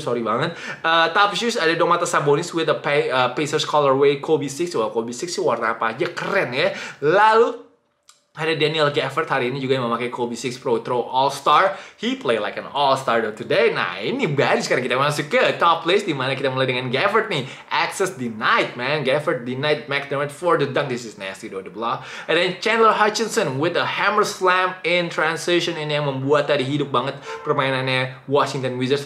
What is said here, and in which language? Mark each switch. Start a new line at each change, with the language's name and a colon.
English: Top shoes
Indonesian: ada Domantas Sabonis
English: with the Pacers colorway
Indonesian: Kobe 6. Kobe 6 sih warna apa aja keren ya. Lalu Ada Daniel Gafford hari ini juga yang memakai Kobe 6 Pro Throw All-Star.
English: He play like an All-Star though today.
Indonesian: Nah, ini baru sekarang kita masuk ke top list di mana kita mulai dengan Gafford nih.
English: Access denied, man. Gafford denied McDermott for the dunk. This is nasty though, the block. And then Chandler Hutchinson with a hammer slam in transition.
Indonesian: Ini yang membuat tadi hidup banget permainannya Washington Wizards.